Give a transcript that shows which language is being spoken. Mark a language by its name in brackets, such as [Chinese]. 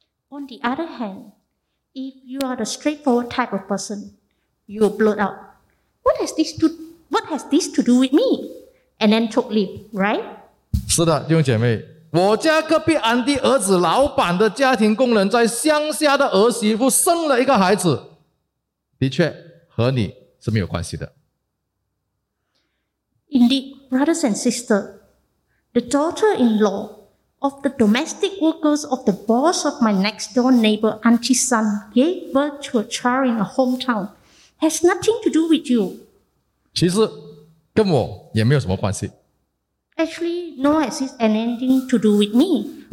[English] On the other hand, if you are the straightforward type of person, you will blurt out, "What has this to do with me?" And then took leave, right? [Chinese] 是的，弟兄姐妹。我家隔壁安迪儿子老板的家庭工人在乡下的儿媳妇生了一个孩子，的确和你是没有关系的。 [English] Indeed, brothers and sisters, the daughter-in-law of the domestic workers of the boss of my next-door neighbor, auntie's son, gave birth to a child in a hometown, has nothing to do with you. [Chinese] 其实跟我也没有什么关系。 [English] Actually, nor has it anything to do with me.